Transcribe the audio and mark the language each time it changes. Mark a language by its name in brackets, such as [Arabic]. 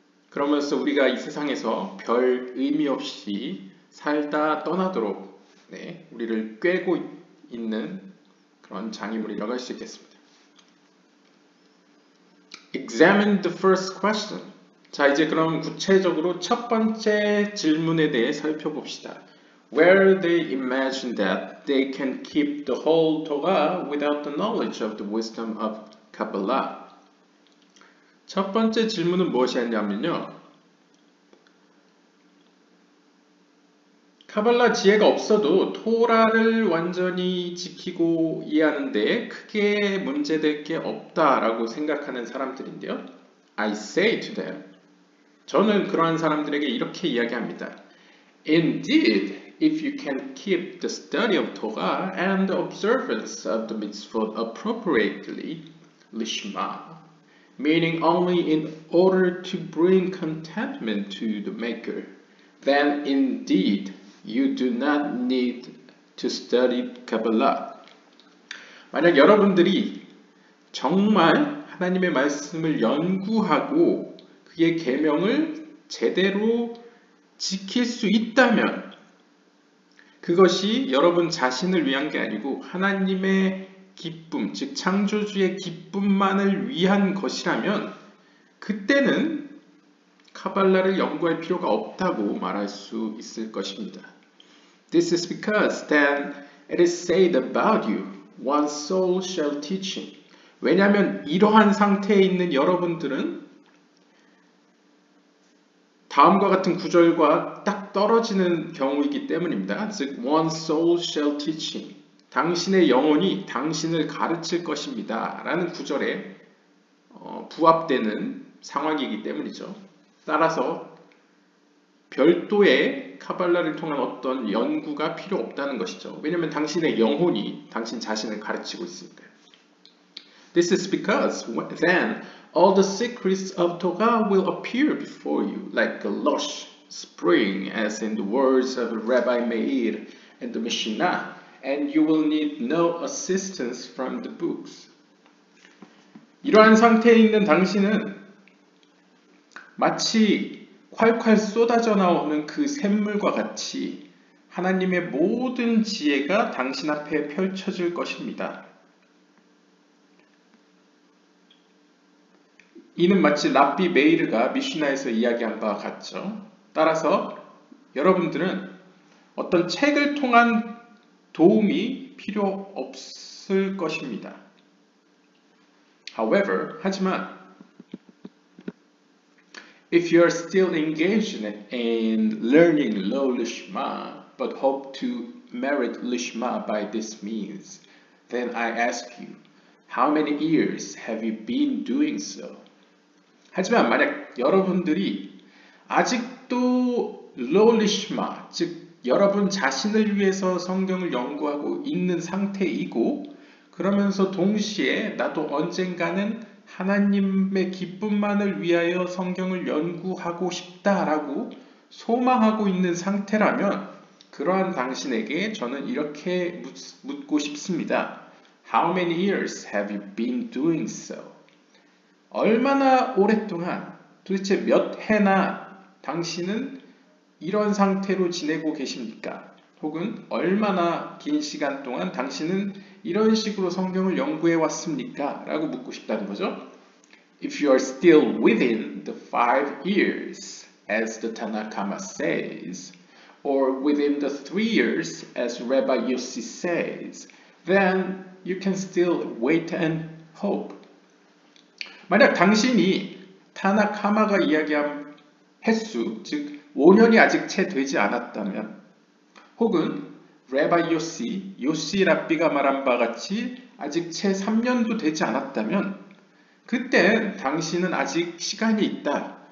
[Korean] 그러면서 우리가 이 세상에서 별 의미 없이 살다 떠나도록 네, 우리를 꿰고 있는 그런 장애물이라고 할 수 있겠습니다. [English] Examine the first question. [Korean] 자, 이제 그럼 구체적으로 첫 번째 질문에 대해 살펴봅시다. [English] Where they imagine that they can keep the whole Torah without the knowledge of the wisdom of Kabbalah. [Korean] 첫 번째 질문은 무엇이었냐면요. 카발라 지혜가 없어도 토라를 완전히 지키고 이해하는데 크게 문제될 게 없다라고 생각하는 사람들인데요. [English] I say to them. [Korean] 저는 그러한 사람들에게 이렇게 이야기합니다. [English] Indeed, if you can keep the study of Torah and the observance of the mitzvot appropriately, lishma, meaning only in order to bring contentment to the maker, then indeed, You do not need to study Kabbalah. [Korean] 만약 여러분들이 정말 하나님의 말씀을 연구하고 그의 계명을 제대로 지킬 수 있다면 그것이 여러분 자신을 위한 게 아니고 하나님의 기쁨, 즉 창조주의 기쁨만을 위한 것이라면 그때는 카발라를 연구할 필요가 없다고 말할 수 있을 것입니다. [English] This is because then it is said about you, one soul shall teach him. [Korean] 왜냐하면 이러한 상태에 있는 여러분들은 다음과 같은 구절과 딱 떨어지는 경우이기 때문입니다. 즉, [English] one soul shall teach him. [Korean] 당신의 영혼이 당신을 가르칠 것입니다. 라는 구절에 부합되는 상황이기 때문이죠. 따라서 별도의 카발라를 통한 어떤 연구가 필요 없다는 것이죠. 왜냐하면 당신의 영혼이 당신 자신을 가르치고 있으니까. [English] This is because then all the secrets of Torah will appear before you like a lush spring as in the words of Rabbi Meir and the Mishnah and you will need no assistance from the books. [Korean] 이러한 상태에 있는 당신은 마치 콸콸 쏟아져 나오는 그 샘물과 같이 하나님의 모든 지혜가 당신 앞에 펼쳐질 것입니다. 이는 마치 랍비 메이르가 미시나에서 이야기한 바와 같죠. 따라서 여러분들은 어떤 책을 통한 도움이 필요 없을 것입니다. [English] However, [Korean] 하지만 [English] If you are still engaged in learning low lishma, but hope to merit lishma by this means, then I ask you, how many years have you been doing so? [Korean] 하지만 만약 여러분들이 아직도 low lishma, 즉 여러분 자신을 위해서 성경을 연구하고 있는 상태이고, 그러면서 동시에 나도 언젠가는 하나님의 기쁨만을 위하여 성경을 연구하고 싶다라고 소망하고 있는 상태라면 그러한 당신에게 저는 이렇게 묻고 싶습니다. [English] How many years have you been doing so? [Korean] 얼마나 오랫동안, 도대체 몇 해나 당신은 이런 상태로 지내고 계십니까? 혹은 얼마나 긴 시간 동안 당신은 이런 식으로 성경을 연구해 왔습니까? 라고 묻고 싶다는 거죠. [English] If you are still within the 5 years, as the Tanakama says, or within the 3 years, as Rabbi Yossi says, then you can still wait and hope. [Korean] 만약 당신이 타나카마가 이야기한 횟수, 즉 5년이 아직 채 되지 않았다면, 혹은 레바 요시, 요시 랍비가 말한 바 같이 아직 채 3년도 되지 않았다면, 그땐 당신은 아직 시간이 있다.